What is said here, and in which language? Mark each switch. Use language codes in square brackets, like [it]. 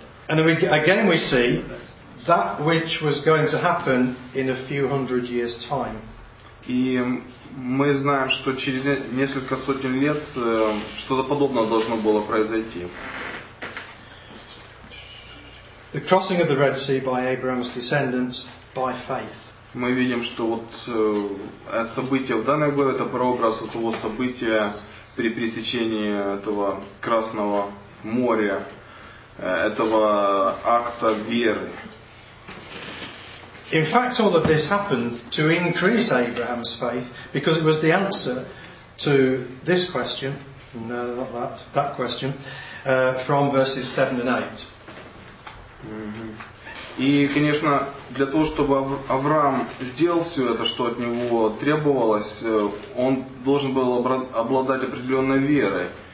[en] And again we see that which was going to happen in a few hundred years' time. [ru] И мы знаем, что через несколько сотен лет что-то подобное должно было произойти. [en] The crossing of the Red Sea by Abraham's descendants by faith. [ru] Мы видим, что вот события в данный год это прообраз вот того события при пересечении этого Красного моря, этого акта веры. [en] In fact, all of this happened to increase Abraham's faith because it was the answer to this question, no, not that, that question, from verses 7 and 8. [ru] И, конечно, для того, чтобы Авраам сделал все это, что от него требовалось, он должен был обладать определенной верой.